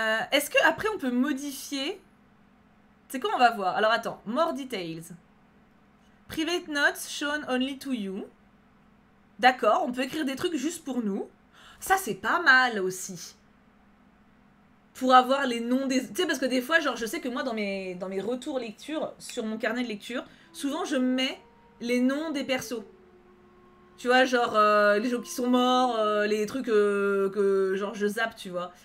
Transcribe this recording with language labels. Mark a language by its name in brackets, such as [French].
[French] Est-ce que après on peut modifier... C'est quoi, on va voir. [English] Alors attends, more details. Private notes shown only to you. [French] D'accord, on peut écrire des trucs juste pour nous. Ça, c'est pas mal aussi. Pour avoir les noms des... Tu sais, parce que des fois, genre, je sais que moi, dans mes retours lecture, sur mon carnet de lecture, souvent, je mets les noms des persos. Tu vois, genre, les gens qui sont morts, les trucs que, genre, je zappe, tu vois.